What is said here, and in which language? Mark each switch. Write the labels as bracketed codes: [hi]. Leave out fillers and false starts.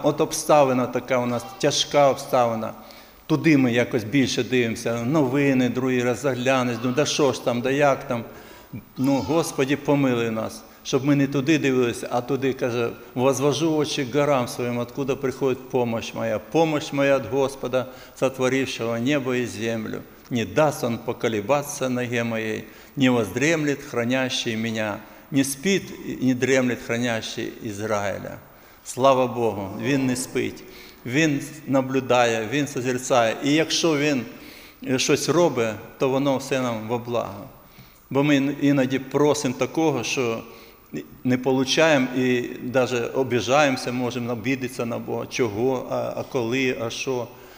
[uk] От обставина така у нас, тяжка обставина, туди ми якось більше дивимося, новини, другий раз заглянеш, ну, да що ж там, да як там, ну, Господи, помили нас. Щоб ми не туди дивилися, а туди, каже, возвожу очі горам своїм, откуда приходить помощь моя від Господа, сотворившого небо і землю. [ru] Не дасть он поколебаться ноге моєї, не воздремлет хранящий меня, не спит и не дремлет хранящий Израиля. [uk] Слава Богу, він не спить, він наблюдає, він созерцає. І якщо він щось робить, то воно все нам во благо. Бо ми іноді просимо такого, що не получаємо і навіть обіжаємося, можемо обідитися на Бога, чого, а коли, а що.